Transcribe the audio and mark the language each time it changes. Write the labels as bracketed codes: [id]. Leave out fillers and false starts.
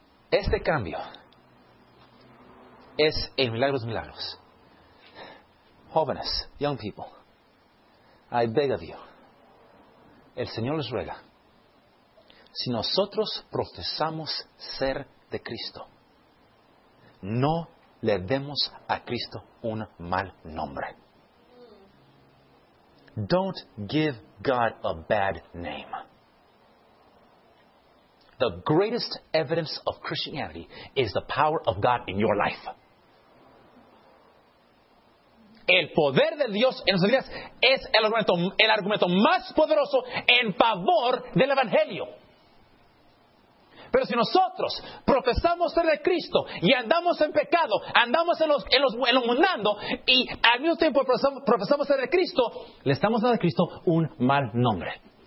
[es] Este cambio es el milagro de milagros. Jóvenes, [en] young people, I beg of you. [es] El Señor les ruega. Si nosotros profesamos ser de Cristo, no le demos a Cristo un mal nombre. [en] Don't give God a bad name. The greatest evidence of Christianity is the power of God in your life. [es] El poder de Dios en nuestras vidas es el argumento más poderoso en favor del Evangelio. Pero si nosotros profesamos ser de Cristo y andamos en pecado, andamos en los mundando y al mismo tiempo profesamos ser de Cristo, le estamos dando a Cristo un mal nombre.